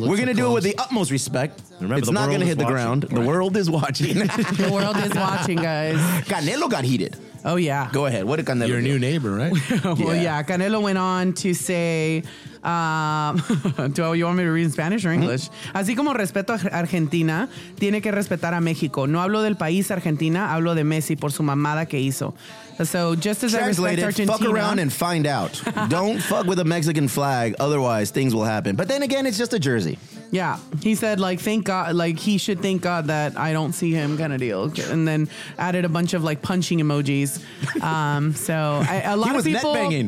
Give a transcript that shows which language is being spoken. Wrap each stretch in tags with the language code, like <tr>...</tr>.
<en>We're going to do it with the utmost respect. Remember, it's not going to hit the ground. Right. The world is watching. The world is watching, guys. Canelo got heated. Oh yeah. Go ahead. What did Canelo do? Your new neighbor, right? Well, yeah. Canelo went on to say. Do you want me to read in Spanish or English? Mm-hmm.</en> <es>Así como respeto a Argentina, tiene que respetar a México. No hablo del país Argentina, hablo de Messi por su mamada que hizo.</es> <en>So just as translated, I respect Argentina. Fuck around and find out. Don't fuck with a Mexican flag, otherwise things will happen. But then again, it's just a jersey. Yeah, he said, like, thank God, like, he should thank God that I don't see him kind of deal. And then added a bunch of, like, punching emojis. A lot of people was net banging.</en>